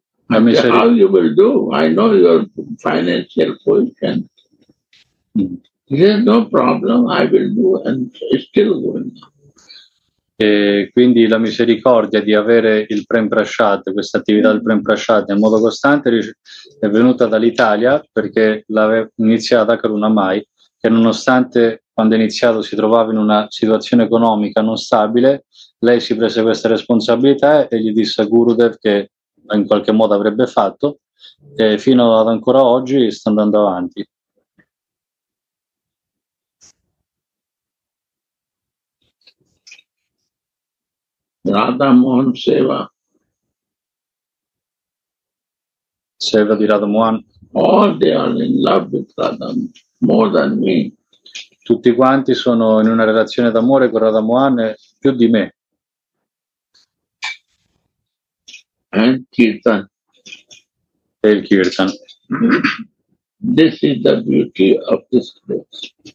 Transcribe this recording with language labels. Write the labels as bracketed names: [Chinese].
[English] How you will do? I know your financial position. There's no problem, I will do, and it's still going. [Italian] E quindi la misericordia di avere il Prem Prasad, questa attività del Prem Prasad in modo costante, è venuta dall'Italia, perché l'aveva iniziata Karuna Mai, che nonostante quando è iniziato si trovava in una situazione economica non stabile, lei si prese questa responsabilità e gli disse a Gurudev che in qualche modo avrebbe fatto, e fino ad ancora oggi sta andando avanti. [English] Radha Mohan Seva. [Italian] Seva di Radha Mohan. [English] All they are in love with Radha, more than me. [Italian] Tutti quanti sono in una relazione d'amore con Radha Mohan più di me. [English] And Kirtan. [Italian] E il Kirtan. [English] This is the beauty of this place.